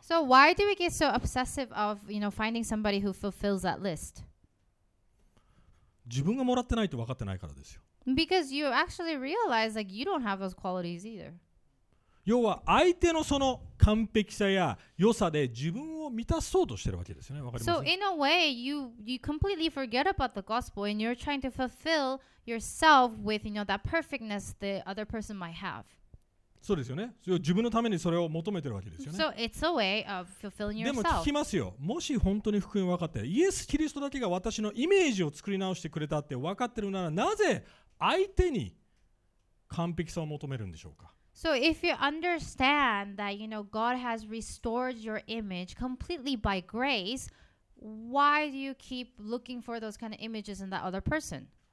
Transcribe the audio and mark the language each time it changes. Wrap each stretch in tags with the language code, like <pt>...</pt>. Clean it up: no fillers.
<en>So why do we get so obsessive of, you know, finding somebody who fulfills that list?</en> <ja>自分がもらってないと分かってないからですよ。</ja> <en>Because you actually realize like you don't have those qualities either.</en> <ja>要は相手のその完璧さや良さで自分を満たそうとしてるわけですよね。分かります。</ja> <en>So in a way you completely forget about the gospel and you're trying to fulfill yourself with, you know, that perfectness the other person might have.</en> <ja>そうですよね。自分のためにそれを求めてるわけですよね。</ja> <en>So it's a way of fulfilling yourself.</en> <ja>でも聞きますよ。もし本当に福音分かって、イエス・キリストだけが私のイメージを作り直してくれたって分かってるなら、なぜ相手に完璧さを求めるんでしょうか。</ja> <en>So if you understand that, you know, God has restored your image completely by grace, why do you keep looking for those kind of images in that other person?</en>